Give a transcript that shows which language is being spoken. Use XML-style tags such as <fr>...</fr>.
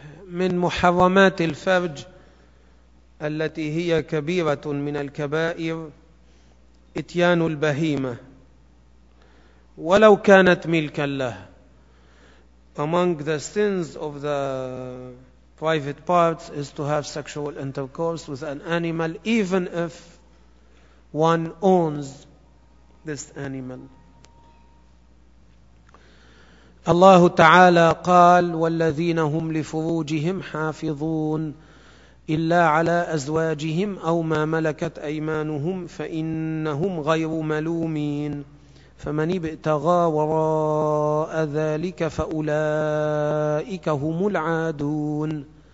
<ar>من محرمات الفرج التي هي كبيرة من الكبائر إتيان البهيمة ولو كانت ملكا له.</ar> <en>Among the sins of the private parts is to have sexual intercourse with an animal even if one owns this animal.</en> <ar>الله تعالى قال: والذين هم لفروجهم حافظون إلا على أزواجهم أو ما ملكت أيمانهم فإنهم غير ملومين فمن ابتغى وراء ذلك فأولئك هم العادون.</ar>